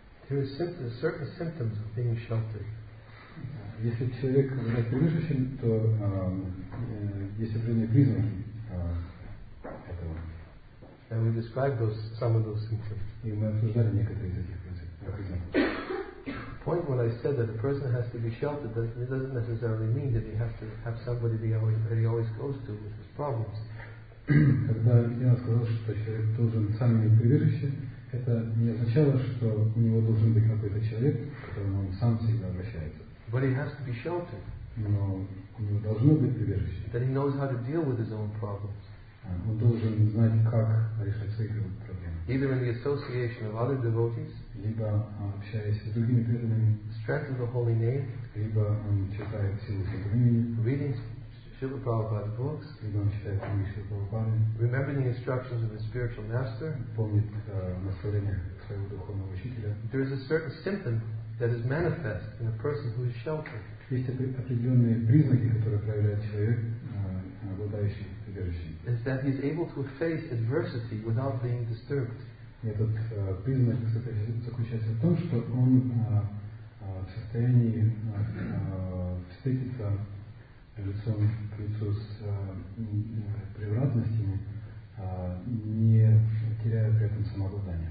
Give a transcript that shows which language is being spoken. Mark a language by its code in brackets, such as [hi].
[en] There are certain symptoms of being sheltered. [ru] Если человек разрушен, то есть определенные признаки этого. [en] And we describe some of those symptoms. [ru] И мы обсуждали некоторые из этих признаков. [en] Point when I said that a person has to be sheltered, that it doesn't necessarily mean that he has to have somebody that he always goes to with his problems. [ru] Когда я сказал, что человек должен сам иметь прибежище, это не означало, что у него должен быть какой-то человек, к которому он сам всегда обращается. [en] But he has to be sheltered. [ru] Но у него должно быть прибежище. [en] That he knows how to deal with his own problems. [ru] Он должен знать, как решать свои проблемы. [en] Either in the association of other devotees. [ru] Либо общаясь с другими преданными. [en] Strength of the holy name. [ru] Либо читая силу святого имени. [en] Reading Śrīla Prabhupāda's books. [ru] Либо читая книги Śrīla Prabhupāda. [en] Remembering the instructions of his spiritual master. [ru] Помнит наставления своего духовного учителя. [en] There is a certain symptom that is manifest in a person who is sheltered. [ru] Есть определенные признаки, которые проявляет человек, обладающий прибежищем. [en] Is that he is able to face adversity without being disturbed. [ru] Этот признак заключается в том, что он в состоянии встретиться лицом к лицу с превратностями, не теряя при этом самообладание.